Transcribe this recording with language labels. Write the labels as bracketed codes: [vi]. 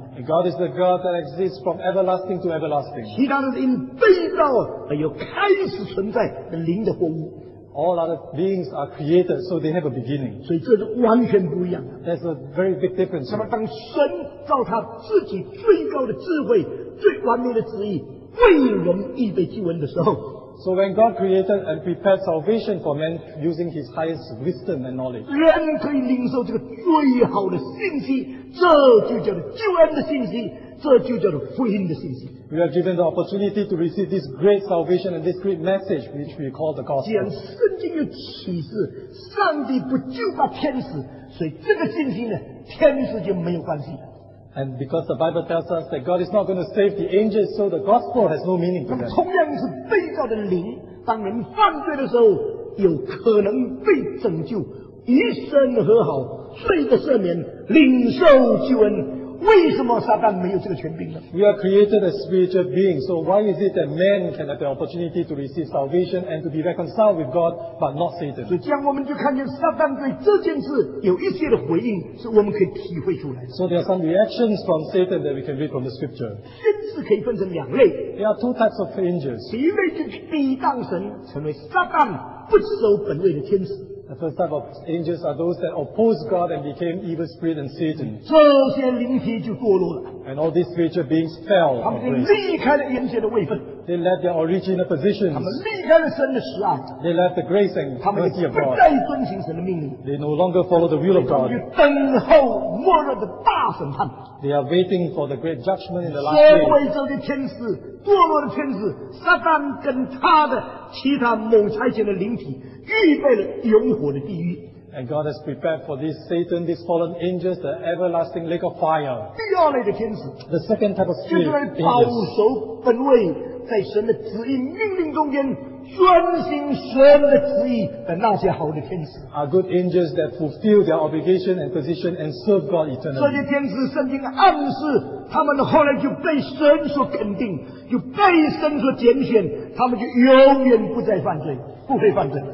[en] God is the God that exists from everlasting to everlasting. [zh] 其他的灵被造而有开始存在的灵的活物。 [en] All other beings are created, so they have a beginning. [zh] 所以这是完全不一样的。 [en] That's a very big difference. [zh] 那么当神造他自己最高的智慧、最完美的旨意为人预备救恩的时候。 [en] So when God created and prepared salvation for man using his highest wisdom and knowledge. [zh] 人可以领受这个最好的信息，这就叫做救恩的信息，这就叫做福音的信息。 [en] We are given the opportunity to receive this great salvation and this great message which we call the gospel. [zh] 既然圣经有启示，上帝不救拔天使，所以这个信息呢，天使就没有关系了。 [en] And because the Bible tells us that God is not going to save the angels, so the gospel has no meaning to them. [zh] 同样是被造的灵，当人犯罪的时候，有可能被拯救，一生和好，罪的赦免，领受救恩。为什么撒旦没有这个权柄呢 [en] ？We are created as spiritual beings, so why is it that man can have the opportunity to receive salvation and to be reconciled with God, but not Satan? [zh] 所以这样我们就看见撒旦对这件事有一些的回应，是我们可以体会出来的。 [en] So there are some reactions from Satan that we can read from the scripture. [zh] 天使可以分成两类。 [en] There are two types of angels. [zh] 第一类就是抵挡神，成为撒旦不守本位的天使。 [en] The first type of angels are those that oppose God and became evil spirit and Satan. [zh] 这些灵体就堕落了。 [en] And all these spiritual beings fell. [zh] 他们离开了原先的位分。 [en] They left their original positions. [zh] 他们离开了神的使爱。 [en] They left the grace and mercy of God. [zh] 他们不再遵行神的命令。 [en] They no longer follow the will of God. [zh] 他们等候末日的大审判。 [en] They are waiting for the great judgment in the last day. [zh] 所谓这些天使，堕落的天使，撒旦跟他的其他某差遣的灵体。预备了永火的地狱。 [en] And God has prepared for this Satan, these fallen angels, the everlasting lake of fire. [zh] 第二类的天使。 [en] The second type of spirit. [zh] 就是来保守本位，在神的旨意命令中间专心神的旨意的那些好的天使 [en] are good angels that fulfill their obligation and position and serve God eternally. [zh] 这些天使圣经暗示他们后来就被神所肯定，就被神所拣选，他们就永远不再犯罪，不会犯罪。